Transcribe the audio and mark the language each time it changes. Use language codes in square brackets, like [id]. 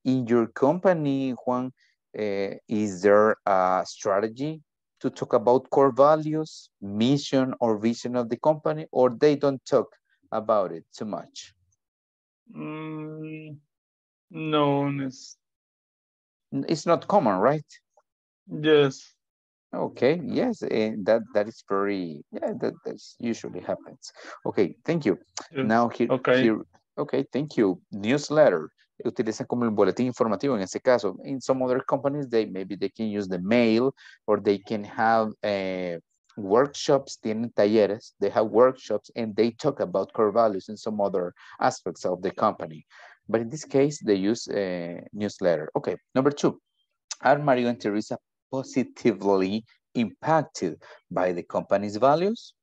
[en] In your company, Juan, is there a strategy to talk about core values, mission or vision of the company, or they don't talk about it too much? No, it's... It's not common, right? Yes. Okay, yes, that is very, yeah, that usually happens. Okay, thank you. Yes. Now here, okay. Okay, thank you. [es] Newsletter, utiliza como el boletín informativo en ese caso. [en] In some other companies, maybe they can use the mail or they can have workshops, [es] tienen talleres, [en] they have workshops and they talk about core values in some other aspects of the company. But in this case, they use a newsletter. Okay, number two, are Mario and Teresa positively impacted by the company's values?